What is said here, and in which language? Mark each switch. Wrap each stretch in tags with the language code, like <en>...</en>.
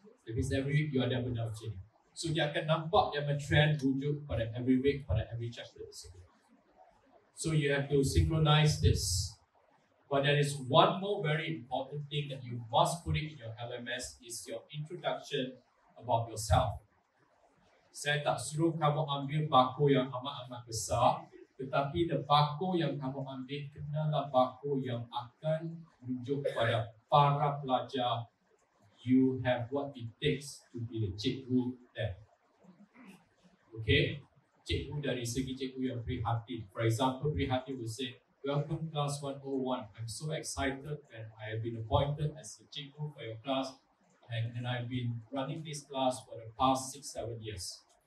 <en>That means every week you are there with the gym. So</en> <ms>dia akan nampak dia macam trend wujud pada</ms> <en>every week, pada every chapter. So you have to synchronize this. But there is one more very important thing that you must put in your LMS is your introduction about yourself.</en> <ms>Saya tak suruh kamu ambil bakul yang amat-amat besar, tetapi the bakul yang kamu ambil kenalah bakul yang akan wujud pada para pelajar.</ms> <en>You have what it takes to be the cikgu there. Okay?</en> <ms>Cikgu dari segi cikgu yang prihatin.</ms> <en>For example,</en> <ms>prihatin</ms> <en>will say, welcome class 101. I'm so excited that I have been appointed as the cikgu for your class and I've been running this class for the past 6-7 years.</en>